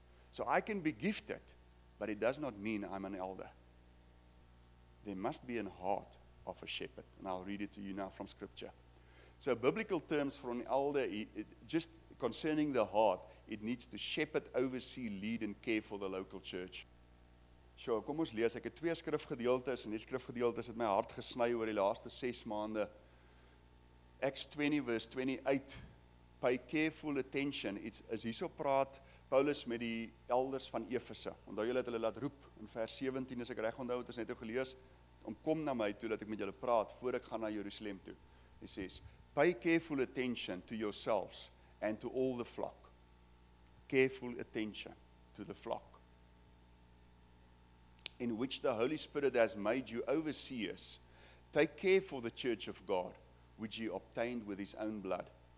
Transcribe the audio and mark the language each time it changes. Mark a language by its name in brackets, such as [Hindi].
[English] So I can be gifted, but it does not mean I'm an elder. There must be a heart of a shepherd. And I'll read it to you now from scripture. So biblical terms for an elder, just concerning the heart, it needs to shepherd, oversee, lead, and care for the local church. [Afrikaans] So, kom ons lees, ek het 2 skrifgedeeltes, en die skrifgedeeltes het my hart gesny oor die laaste 6 maande. [English] Acts 20 verse 28, pay careful attention, [Afrikaans] as hierso praat Paulus met die elders van Efese, onthou julle het hulle laat roep, in vers 17, as ek reg onthou, het ons net ook gelees, om kom na my toe, dat ek met julle praat, voor ek gaan na Jerusalem toe. [English] He says, pay careful attention to yourselves, and to all the flock. Careful attention to the flock, in which the Holy Spirit has made you overseers. Take care for the church of God, which he obtained with his own blood.